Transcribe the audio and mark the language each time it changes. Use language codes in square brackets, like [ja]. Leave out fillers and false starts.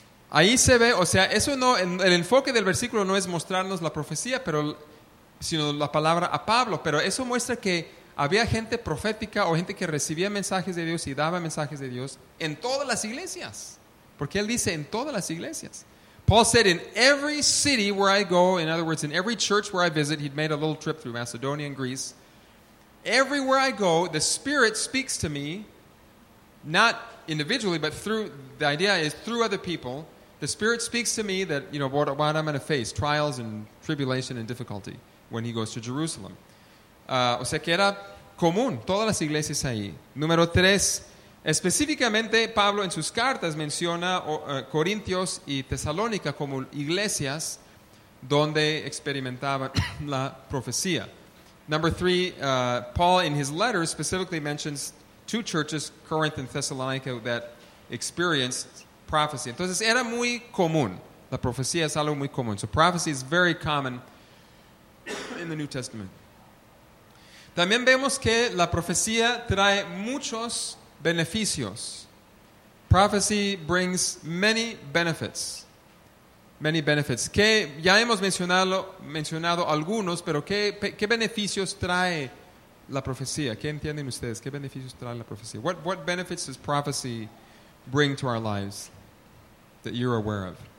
[es] Ahí se ve, o sea, eso no, el enfoque del versículo no es mostrarnos la profecía, sino la palabra a Pablo, pero eso muestra que había gente profética o gente que recibía mensajes de Dios y daba mensajes de Dios en todas las iglesias. Porque él dice en todas las iglesias. [en] Paul said, in every city where I go, in other words, in every church where I visit, he'd made a little trip through Macedonia and Greece. Everywhere I go, the Spirit speaks to me, not individually, but through, the idea is through other people. The Spirit speaks to me that, you know, what I'm going to face, trials and tribulation and difficulty when he goes to Jerusalem. [es] O sea que era común, todas las iglesias ahí. Número tres, específicamente Pablo en sus cartas menciona Corintios y Tesalónica como iglesias donde experimentaban la profecía. [en] Number three, Paul in his letters specifically mentions two churches, Corinth and Thessalonica, that experienced prophecy. [es] Entonces era muy común, la profecía es algo muy común. [en] So prophecy is very common in the New Testament. [es] También vemos que la profecía trae muchos beneficios. [en] Prophecy brings many benefits. Many benefits. [es] Que ya hemos mencionado algunos, pero ¿qué beneficios trae la profecía? ¿Qué entienden ustedes? ¿Qué beneficios trae la profecía? [en] What benefits does prophecy bring to our lives that you're aware of?